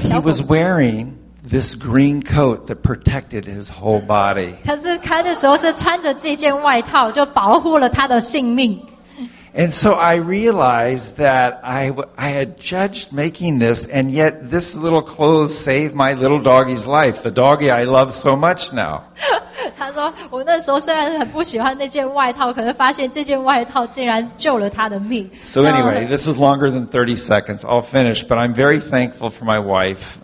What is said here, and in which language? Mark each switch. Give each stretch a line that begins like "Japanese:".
English: he was wearing this green coat that protected his whole body.
Chinese: 他是开的时候是穿着这件外套，就保护了他的性命。
English: And so I realized that I had judged making this, and yet this little clothes saved my little doggy's life, the doggy I love so much now.
Chinese: 他说我那时候虽然很不喜欢那件外套，可是发现这件外套竟然救了他的命。
English: So anyway, this is longer than 30 seconds. I'll finish, but I'm very thankful for my wife.